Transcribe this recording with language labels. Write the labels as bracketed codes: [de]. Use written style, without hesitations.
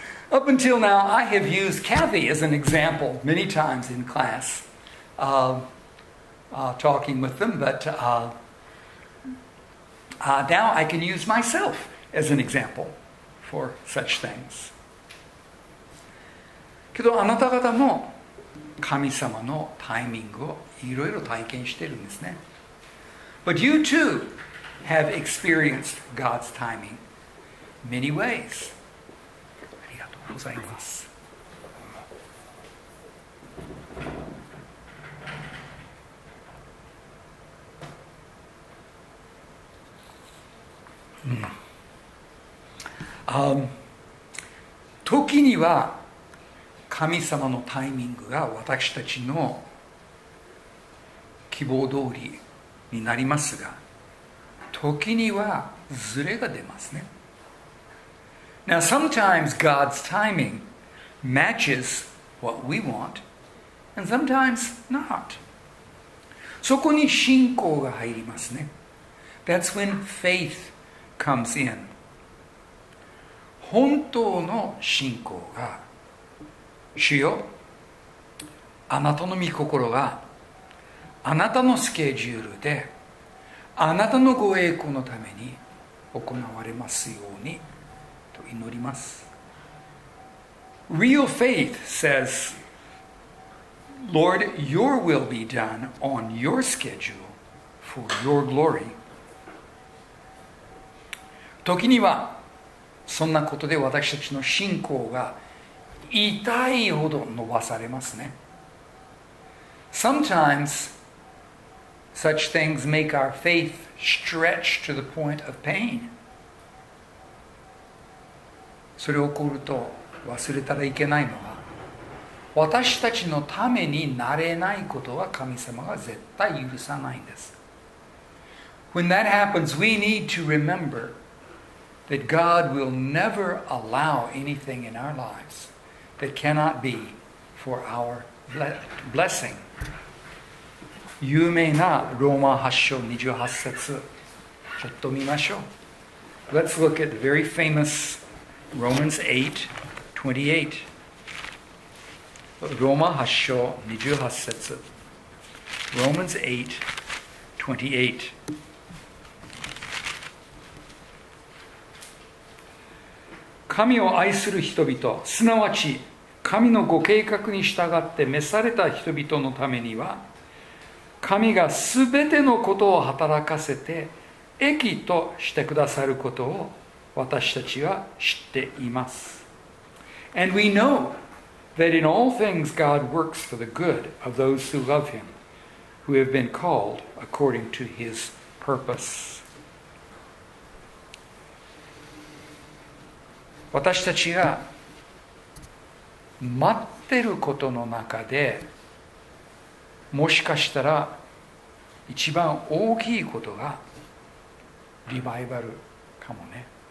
[en] Up until now, I have used Kathy as an example many times in class, talking with them, but now I can use myself as an example for such things. [ja] けどあなた方も神様のタイミングをいろいろ体験してるんですね。 [en] But you too have experienced God's timing many ways. [ja] ありがとうございます。時には神様のタイミングが私たちの希望通りになりますが、時にはズレが出ますね。 [en] Now sometimes God's timing matches what we want, and sometimes not. [ja] そこに信仰が入りますね。 [en] That's when faith comes in. [ja] 本当の信仰が、主よ、あなたの御心が、あなたのスケジュールで、あなたのご栄光のために行われますようにと祈ります。 [en] Real faith says, Lord, your will be done on your schedule for your glory. [ja] 時にはそんなことで私たちの信仰が痛いほど伸ばされますね。 [en] Sometimes such things make our faith stretch to the point of pain. [ja] それ起こると忘れたらいけないのは、私たちのためになれないことは神様が絶対許さないんです。 [en] When that happens, we need to remember that God will never allow anything in our lives that cannot be for our blessing. [ja] 有名なローマ8章28節、ちょっと見ましょう。 [en] Let's look at the very famous Romans 8:28. [ja] ローマ8章28節 [en] Romans 8:28 [ja] 神を愛する人々、すなわち神のご計画に従って召された人々のためには、神がすべてのことを働かせて益としてくださることを私たちは知っています。 [en] And we knowThat in all things God works for the good of those who love Him, who have been called according to His purpose. [ja] 私たちが待ってることの中で、もしかしたら一番大きいことがリバイバルかもね。